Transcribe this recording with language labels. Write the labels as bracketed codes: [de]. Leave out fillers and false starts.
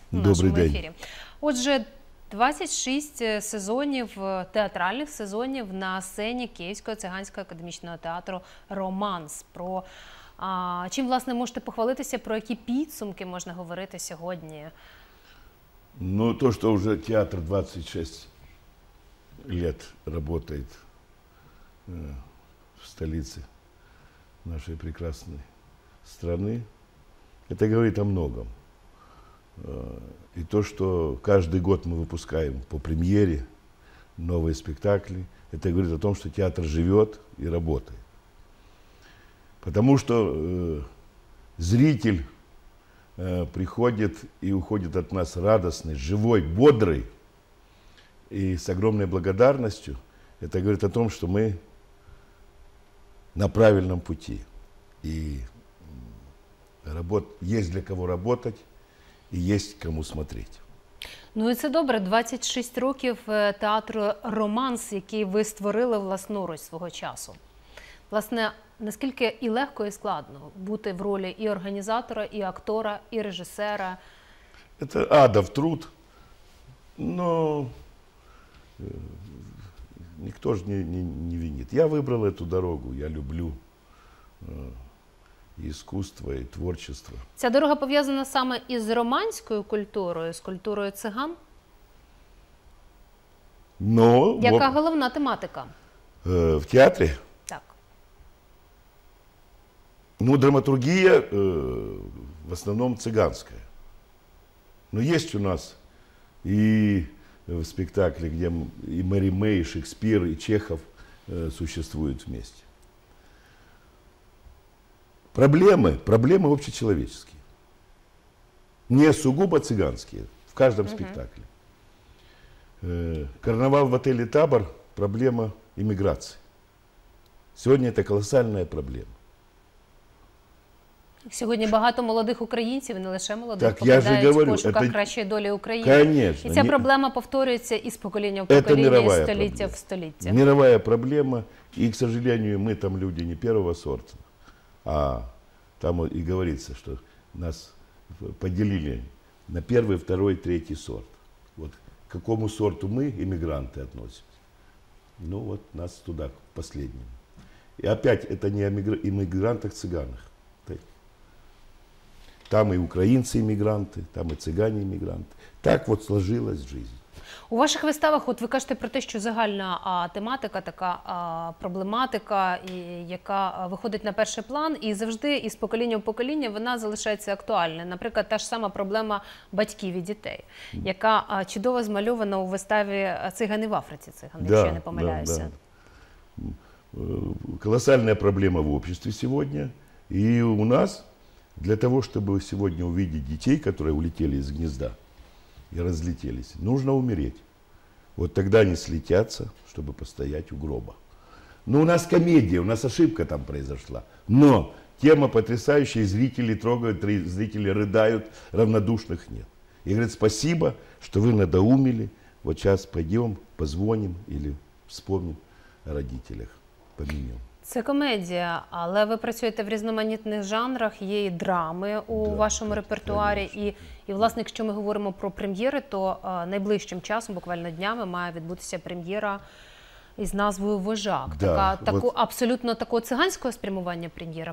[uk] у нашому ефірі. Отже, 26 сезонів, театральних сезонів на сцені Київського циганського академічного театру «Романс». Чим, власне, можете похвалитися, про які підсумки можна говорити сьогодні? [ru] Ну, то, що вже театр 26 лет работает в столице нашей прекрасной страны, это говорит о многом. И то, что каждый год мы выпускаем по премьере новые спектакли, это говорит о том, что театр живет и работает. Потому что зритель приходит и уходит от нас радостный, живой, бодрый. И с огромной благодарностью это говорит о том, что мы на правильном пути. И есть для кого работать, и есть кому смотреть. [uk] Ну і це добре, 26 років театру «Романс», який ви створили власноруч свого часу. Власне, наскільки і легко, і складно бути в ролі і організатора, і актора, і режисера? [ru] Це адов труд, но... Никто же не винит. Я выбрал эту дорогу, я люблю и искусство, и творчество. [uk] Ця дорога пов'язана саме із романською культурою, з культурою циган? [ru] Но, [uk] яка головна тематика? В театрі? Так. Ну, драматургія в основному циганська. Но є у нас і... [ru] в спектакле, где и Мэри Мэй, и Шекспир, и Чехов существуют вместе. Проблемы общечеловеческие. Не сугубо цыганские, в каждом спектакле. Карнавал в отеле «Табор» – проблема иммиграции. Сегодня это колоссальная проблема. [uk] Сьогодні багато молодих українців, не лише молодих, так, покидають в пошуках кращої долі України. [ru] Конечно, [uk] і ця проблема повторюється із покоління в покоління, з століття в століття. [ru] Мировая проблема, [uk] і, [ru] к сожалению, [uk] ми там люди не [ru] первого сорта, [uk] а там і говориться, що нас поділили на перший, второй, третій сорт. От к якому сорту ми, іммігранти, относимся? Ну, от нас туди, к последньому. І опять, це не о іммігрантах-циганах. Там і українці іммігранти, там і цигані іммігранти. [ru] Так от сложилась жизнь. [uk] У ваших виставах, от ви кажете про те, що загальна тематика, така проблематика, яка виходить на перший план, і завжди із покоління в покоління вона залишається актуальною. Наприклад, та ж сама проблема батьків і дітей, яка чудово змальована у виставі «Цигани в Африці», цигани, [ru] да, [uk] якщо я не помиляюся. [ru] Да, да. [uk] Колосальна проблема в обществі сьогодні, і у нас... [ru] Для того, чтобы сегодня увидеть детей, которые улетели из гнезда и разлетелись, нужно умереть. Вот тогда они слетятся, чтобы постоять у гроба. Ну, у нас комедия, у нас ошибка там произошла. Но тема потрясающая, зрители трогают, зрители рыдают, равнодушных нет. И говорят, спасибо, что вы надоумили, вот сейчас пойдем, позвоним или вспомним о родителях, поменем. [uk] Це комедія, але ви працюєте в різноманітних жанрах, є і драми у вашому репертуарі. І, власне, якщо ми говоримо про прем'єри, то найближчим часом, буквально днями, має відбутися прем'єра із назвою «Вожак». [ru] Да, [uk] така, таку, вот, абсолютно такого циганського спрямування прем'єра.